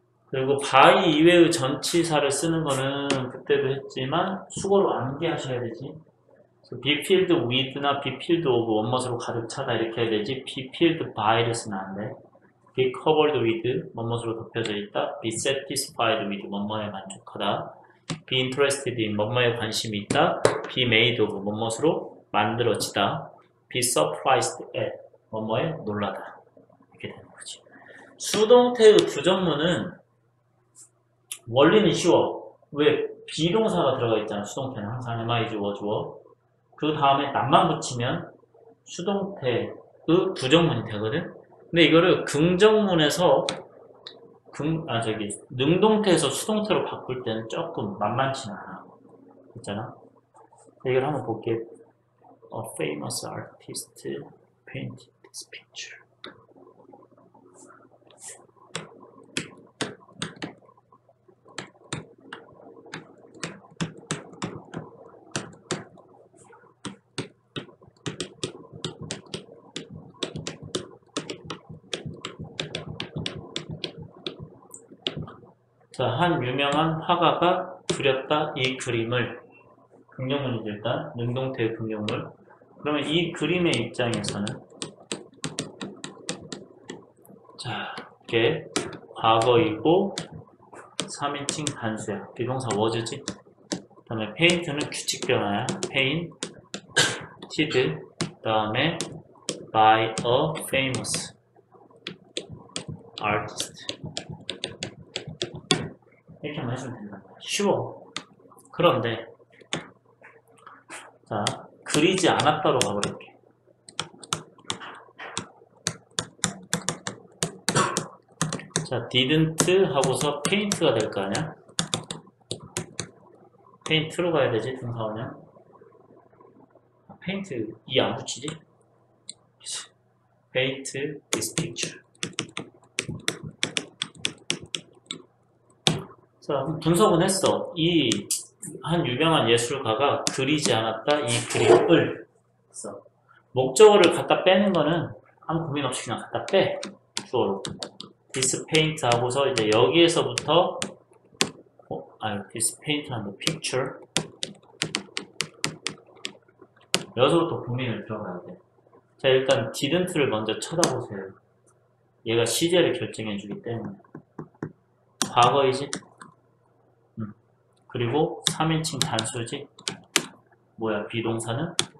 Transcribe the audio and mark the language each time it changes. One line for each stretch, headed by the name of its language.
Korean: 그리고 by 이외의 전치사를 쓰는 거는 그때도 했지만 수거로 암기하셔야 되지. 그래서 be filled with나 be filled of, 뭐뭐으로 가득 차다 이렇게 해야 되지. be filled by를 쓰면 안 돼. be covered with, 뭐뭐으로 덮여져 있다. be satisfied with, 뭐뭐에 만족하다. be interested in, 뭐뭐에 관심이 있다. be made of, 뭐뭐으로 만들어지다. be surprised at, 뭐뭐에 놀라다. 이렇게 되는 거지. 수동태의 부정문은 원리는 쉬워. 왜? 비동사가 들어가 있잖아. 수동태는 항상 am I, is, was, were. 그 다음에 나만 붙이면 수동태의 부정문이 되거든. 근데 이거를 긍정문에서 저기 능동태에서 수동태로 바꿀 때는 조금 만만치 않아. 있잖아. 이걸 한번 볼게.
English: A famous artist painted this picture.
Korean: 한 유명한 화가가 그렸다, 이 그림을. 긍정문이 일단 능동태의 긍정문. 그러면 이 그림의 입장에서는, 이게 과거이고 3인칭 단수야. 비동사 was지. 그다음에 페인트는 규칙 변화야. 페인 티드. 그다음에 by a famous artist. 이렇게 한번 해주면 된다. 쉬워. 그런데 자, 그리지 않았다로 가버릴게. 자, didn't 하고서 paint가 될거 아니야? paint로 가야 되지, 동사원형. paint, 이안 붙이지? paint this picture. 자, 분석은 했어. 이한 유명한 예술가가 그리지 않았다, 이 그림을. 목적어를 갖다 빼는 거는 아무 고민 없이 그냥 갖다 빼. 주어로. This paint 하고서 이제 여기에서부터 this paint 하는 picture. 여기서부터 고민을 들어가야 돼. 자, 일단 didn't를 먼저 쳐다보세요. 얘가 시제를 결정해 주기 때문에. 과거이지? 그리고 3인칭 단수지? 뭐야, 비동사는?